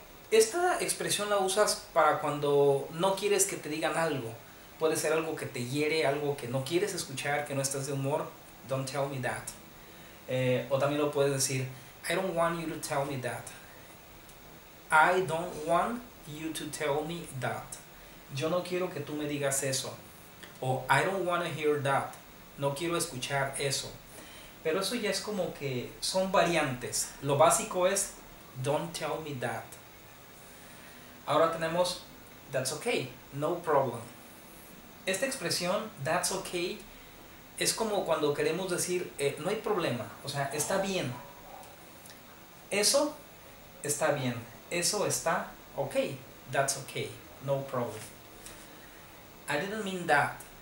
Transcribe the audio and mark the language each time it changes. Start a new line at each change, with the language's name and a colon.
Spanish: Esta expresión la usas para cuando no quieres que te digan algo. Puede ser algo que te hiere, algo que no quieres escuchar, que no estás de humor.
English: Don't tell me that.
Spanish: O también lo puedes decir
English: I don't want you to tell me that. I don't want you to tell me that.
Spanish: Yo no quiero que tú me digas eso.
English: O I don't want to hear that.
Spanish: No quiero escuchar eso. Pero eso ya es como que son variantes. Lo básico es
English: don't tell me that.
Spanish: Ahora tenemos
English: that's okay, no problem.
Spanish: Esta expresión,
English: that's okay,
Spanish: es como cuando queremos decir no hay problema. O sea, está bien. Eso está bien. Eso está okay.
English: That's okay, no problem. I didn't mean that.